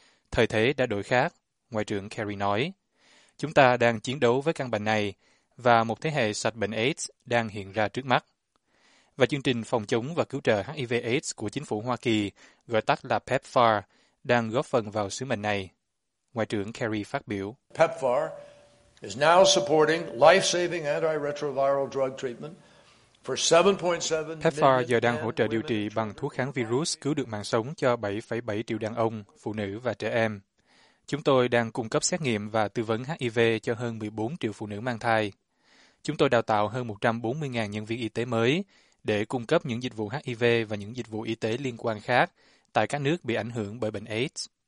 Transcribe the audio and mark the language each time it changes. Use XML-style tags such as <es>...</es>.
<vi>Thời thế đã đổi khác, Ngoại trưởng Kerry nói. Chúng ta đang chiến đấu với căn bệnh này, và một thế hệ sạch bệnh AIDS đang hiện ra trước mắt. Và chương trình phòng chống và cứu trợ HIV-AIDS của chính phủ Hoa Kỳ, gọi tắt là PEPFAR, đang góp phần vào sứ mệnh này. Ngoại trưởng Kerry phát biểu.</vi> <en>PEPFAR is now supporting life-saving antiretroviral drug treatment for 7.7 million.</en> <vi>PEPFAR giờ đang hỗ trợ điều trị bằng thuốc kháng virus cứu được mạng sống cho 7,7 triệu đàn ông, phụ nữ và trẻ em. Chúng tôi đang cung cấp xét nghiệm và tư vấn HIV cho hơn 14 triệu phụ nữ mang thai. Chúng tôi đào tạo hơn 140.000 nhân viên y tế mới để cung cấp những dịch vụ HIV và những dịch vụ y tế liên quan khác tại các nước bị ảnh hưởng bởi bệnh AIDS.</vi>